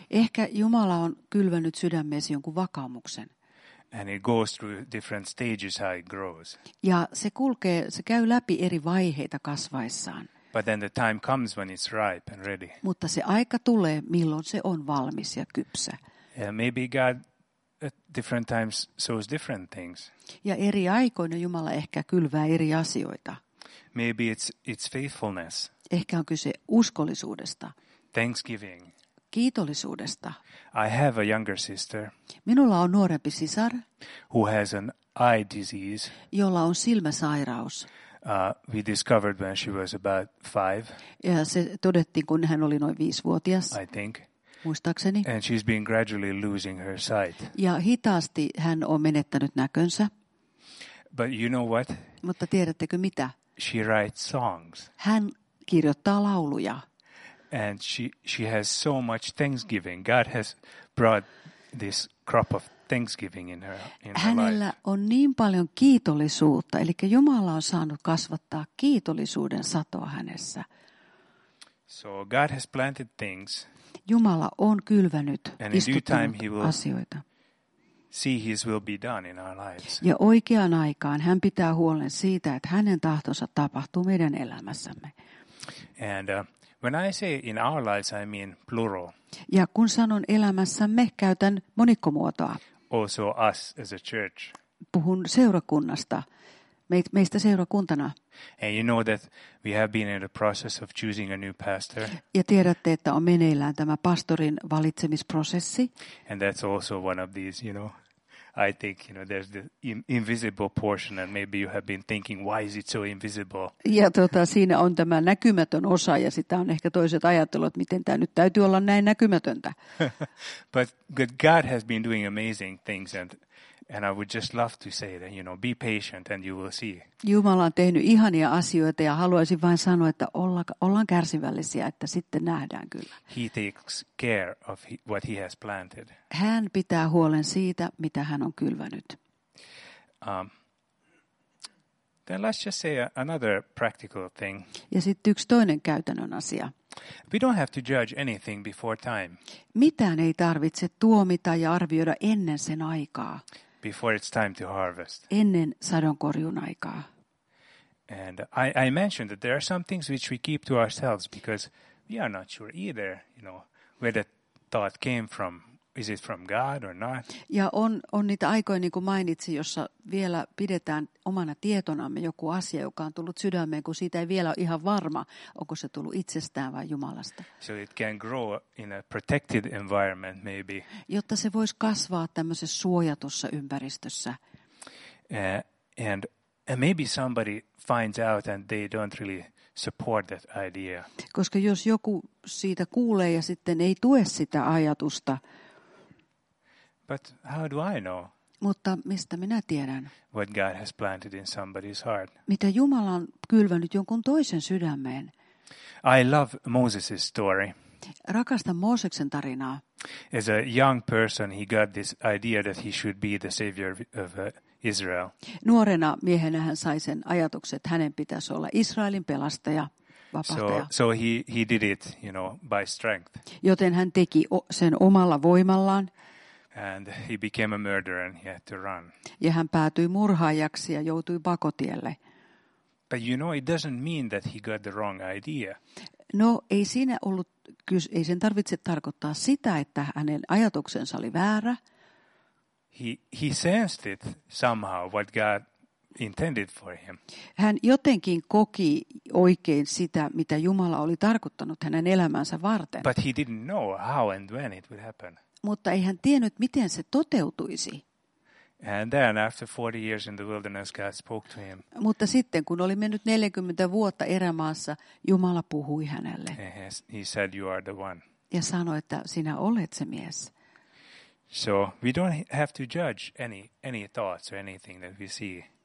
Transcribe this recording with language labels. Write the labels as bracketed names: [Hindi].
[Finnish] Ehkä Jumala on kylvänyt sydämeesi jonkun vakaumuksen. [English] And it goes through different stages how it grows. [Finnish] Ja se käy läpi eri vaiheita kasvaessaan. [English] But then the time comes when it's ripe and ready. [Finnish] Mutta se aika tulee milloin se on valmis ja kypsä. [English] And maybe God at different times sows different things. [Finnish] Ja eri aikoina Jumala ehkä kylvää eri asioita. [English] Maybe it's faithfulness. [Finnish] Ehkä on kyse uskollisuudesta. [English] Thanksgiving. [Finnish] Kiitollisuudesta. [English] I have a younger sister. [Finnish] Minulla on nuorempi sisar. [English] Who has an eye disease. [Finnish] Jolla on silmäsairaus. [English] We discovered when she was about 5. [Finnish] Ja se todettiin kun hän oli noin 5-vuotias. [English] I think. [Finnish] Muistaakseni. [English] And she's been gradually losing her sight. [Finnish] Ja hitaasti hän on menettänyt näkönsä. [English] But you know what? [Finnish] Mutta tiedättekö mitä? [English] She writes songs. [Finnish] Hän kirjoittaa lauluja. [English] And she has so much thanksgiving. God has brought this crop of thanksgiving in her life. [Finnish] Hänellä on niin paljon kiitollisuutta, eli Jumala on saanut kasvattaa kiitollisuuden satoa hänessä. [English] So God has planted things. [Finnish] Jumala on kylvänyt, [English] and in due time he will [Finnish] asioita. [English] See his will be done in our lives. [Finnish] Ja oikeaan aikaan hän pitää huolen siitä, että hänen tahtonsa tapahtuu meidän elämässämme. [English] And when I say in our lives, I mean plural. [Finnish] Ja kun sanon elämässämme, käytän monikkomuotoa. [English] Also us as a church. [Finnish] Puhun seurakunnasta. Meistä seurakuntana. [English] And you know that we have been in the process of choosing a new pastor. [Finnish] Ja tiedätte, että on meneillään tämä pastorin valitsemisprosessi. [English] And that's also one of these, you know. I think, you know, there's the invisible portion and maybe you have been thinking, why is it so invisible? [Finnish] Ja siinä on tämä näkymätön osa ja sitä on ehkä toiset ajattelut, miten tämä nyt täytyy olla näin näkymätöntä. [English] But God has been doing amazing things and And I would just love to say that, you know, be patient and you will see. [Finnish] Jumala on tehnyt ihania asioita ja haluaisin vain sanoa, että ollaan kärsivällisiä, että sitten nähdään kyllä. [English] He takes care of what he has planted. [Finnish] Hän pitää huolen siitä, mitä hän on kylvänyt. [English] Then let's just say another practical thing. [Finnish] Ja sitten yksi toinen käytännön asia. [English] We don't have to judge anything before time. [Finnish] Mitään ei tarvitse tuomita ja arvioida ennen sen aikaa. [English] Before it's time to harvest. [Finnish] Ennen sadonkorjun aikaa. [English] And I mentioned that there are some things which we keep to ourselves because we are not sure either, you know, where the thought came from. Is it from God or not? [Finnish] Ja on niitä aikoja, niin kuin mainitsin, jossa vielä pidetään omana tietonamme joku asia, joka on tullut sydämeen, kun siitä ei vielä ole ihan varma, onko se tullut itsestään vai Jumalasta. [English] So it can grow in a protected environment, maybe. [Finnish] Jotta se voisi kasvaa tämmöisessä suojatussa ympäristössä. [English] And maybe somebody finds out and they don't really support that idea. [Finnish] Koska jos joku siitä kuulee ja sitten ei tue sitä ajatusta. [English] But how do I know? [Finnish] Mutta mistä minä tiedän? [English] What God has planted in somebody's heart. [Finnish] Mitä Jumala on kylvänyt jonkun toisen sydämeen? [English] I love Moses' story. [Finnish] Rakastan Mooseksen tarinaa. [English] As a young person, he got this idea that he should be the savior of Israel. [Finnish] Nuorena miehenä hän sai sen ajatuksen, että hänen pitäisi olla Israelin pelastaja, vapahtaja. [English] So he did it, you know, by strength. [Finnish] Joten hän teki sen omalla voimallaan. [English] And he became a murderer and he had to run. [Finnish] Ja hän päätyi murhaajaksi ja joutui pakotielle. [English] But you know, it doesn't mean that he got the wrong idea. [Finnish] No, ei siinä ollut, ei sen tarvitse tarkoittaa sitä, että hänen ajatuksensa oli väärä. [English] He sensed it somehow what God intended for him. [Finnish] Hän jotenkin koki oikein sitä, mitä Jumala oli tarkoittanut hänen elämänsä varten. [English] But he didn't know how and when it would happen. [Finnish] Mutta ei hän tiennyt, miten se toteutuisi. [English] And then after 40 years in the wilderness God spoke to him. [Finnish] Mutta sitten kun oli mennyt 40 vuotta erämaassa, Jumala puhui hänelle. [English] He said you are the one. [Finnish] Ja sanoi, että sinä olet se mies. [English] So we don't have to judge any thoughts or anything that we see.